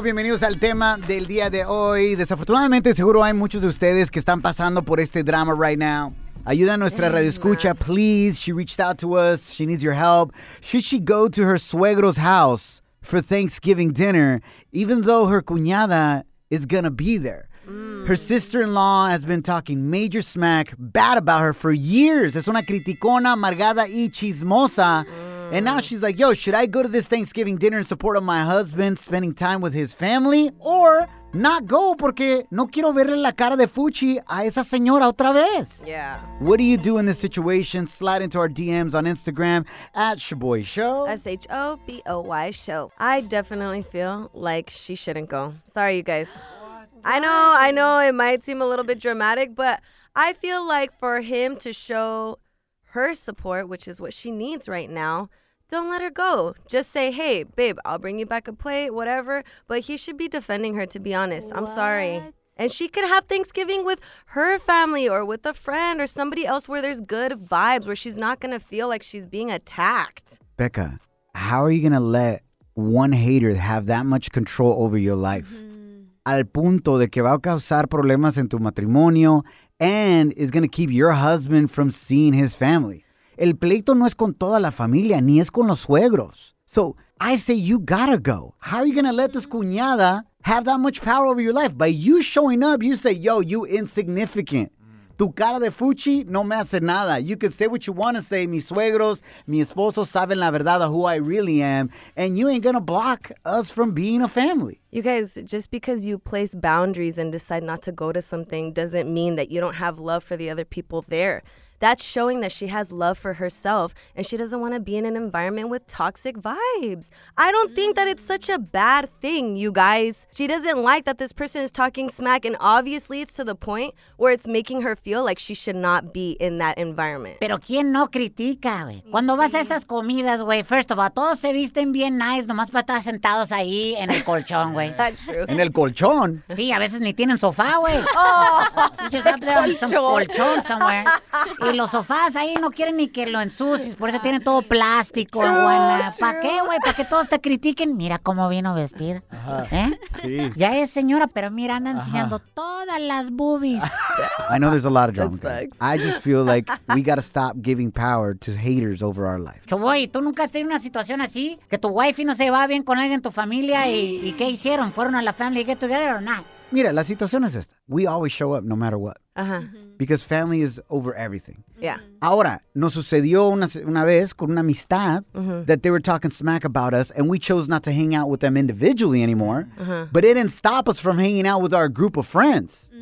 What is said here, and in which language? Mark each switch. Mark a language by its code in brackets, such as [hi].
[es] Bienvenidos al tema del día de hoy. Desafortunadamente, seguro hay muchos de ustedes que están pasando por este drama [en] right now. [es] Ayuda a nuestra radioescucha, [en] please. She reached out to us. She needs your help. Should she go to her suegro's house for Thanksgiving dinner, even though her cuñada is going to be there? Her sister-in-law has been talking major smack bad about her for years. [es] Es una criticona, amargada y chismosa. [en] And now she's like, yo, should I go to this Thanksgiving dinner in support of my husband spending time with his family? Or not go [es] porque no quiero verle la cara de fuchi a esa señora otra vez. [en] Yeah. What do you do in this situation? Slide into our DMs on Instagram at Shaboy Show. S-H-O-B-O-Y Show. I definitely feel like she shouldn't go. Sorry, you guys. I know it might seem a little bit dramatic, but I feel like for him to show her support, which is what she needs right now, don't let her go. Just say, hey, babe, I'll bring you back a plate, whatever. But he should be defending her, to be honest. What? I'm sorry. And she could have Thanksgiving with her family or with a friend or somebody else where there's good vibes, where she's not going to feel like she's being attacked. Becca, how are you going to let one hater have that much control over your life? Mm-hmm. [es] Al punto de que va a causar problemas en tu matrimonio [en] and is going to keep your husband from seeing his family. [es] El pleito no es con toda la familia, ni es con los suegros. [en] So I say you gotta go. How are you gonna let this cuñada have that much power over your life? By you showing up, you say, yo, you insignificant. [es] Tu cara de fuchi no me hace nada. [en] You can say what you want to say. [es] Mis suegros, mi esposo saben la verdad [en] of who I really am. And you ain't going to block us from being a family. You guys, just because you place boundaries and decide not to go to something doesn't mean that you don't have love for the other people there. That's showing that she has love for herself and she doesn't want to be in an environment with toxic vibes. I don't think that it's such a bad thing, you guys. She doesn't like that this person is talking smack, and obviously it's to the point where it's making her feel like she should not be in that environment. [es] Pero quién no critica, güey. Cuando vas a estas comidas, güey, [en] first of all, [es] todos se visten bien nice, nomás para estar sentados ahí en el colchón, güey. [en] That's true. [es] En el colchón. Sí, a veces ni tienen sofá, güey. [en] Oh, just up there on some colchón somewhere. [es] Y los sofás ahí no quieren ni que lo ensucies, por eso tienen todo plástico. ¿Para qué, güey? ¿Para que todos te critiquen? Mira cómo vino a vestir. Sí. Ya es señora, pero mira, anda enseñando todas las boobies. [en] I know there's a lot of drama, guys. I just feel like we gotta stop giving power to haters over our life. [es] Chuboy, ¿tú nunca has tenido una situación así? Que tu wifey no se va bien con alguien en tu familia y ¿qué hicieron? ¿Fueron a la [en] family get together or not? [es] Mira, la situación es esta. [en] We always show up no matter what. Uh-huh. Because family is over everything. Yeah. [es] Ahora, nos sucedió una vez con una amistad [en] that they were talking smack about us and we chose not to hang out with them individually anymore. Uh-huh. But it didn't stop us from hanging out with our group of friends.